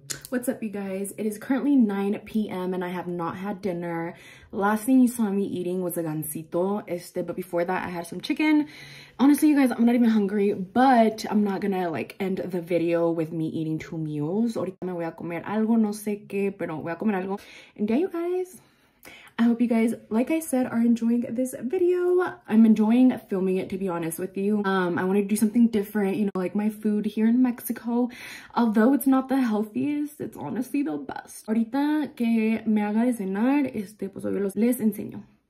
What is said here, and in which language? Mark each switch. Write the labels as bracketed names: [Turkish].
[English] What's up, you guys? It is currently 9 p.m. and I have not had dinner. Last thing you saw me eating was a gansito, but before that, I had some chicken. Honestly, you guys, I'm not even hungry, but I'm not gonna like end the video with me eating two meals. [Spanish] Ahorita me voy a comer algo, no sé qué, pero voy a comer algo. [English] And yeah, you guys, I hope you guys, like I said, are enjoying this video. I'm enjoying filming it, to be honest with you. I wanted to do something different, you know, like my food here in Mexico. Although it's not the healthiest, it's honestly the best. [Spanish] Ahorita que me haga de cenar, pues obvio les enseño.